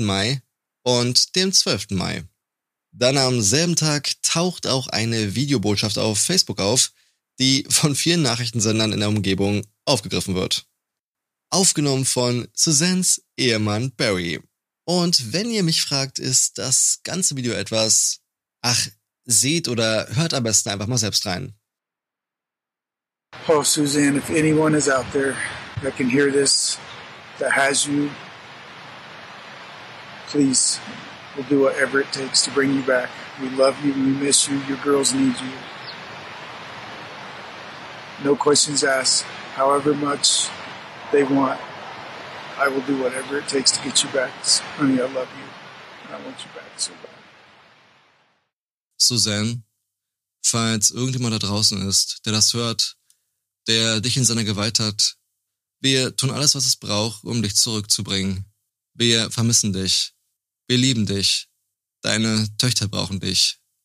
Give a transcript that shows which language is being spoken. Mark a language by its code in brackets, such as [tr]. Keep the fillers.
[de] Mai und dem 12. Mai. Dann am selben Tag taucht auch eine Videobotschaft auf Facebook auf, die von vielen Nachrichtensendern in der Umgebung aufgegriffen wird. Aufgenommen von Suzanne's Ehemann Barry. Und wenn ihr mich fragt, ist das ganze Video etwas, ach, seht oder hört am besten einfach mal selbst rein. [en] Oh, Suzanne, if anyone is out there that can hear this, that has you, please We'll do whatever it takes to bring you back. We love you. We miss you. Your girls need you. No questions asked. However much they want, I will do whatever it takes to get you back. Honey, I love you. I want you back so bad. [de] Suzanne, falls irgendjemand da draußen ist, der das hört, der dich in seiner Gewalt hat, wir tun alles, was es braucht, um dich zurückzubringen. Wir vermissen dich wir lieben dich. Deine Töchter brauchen dich.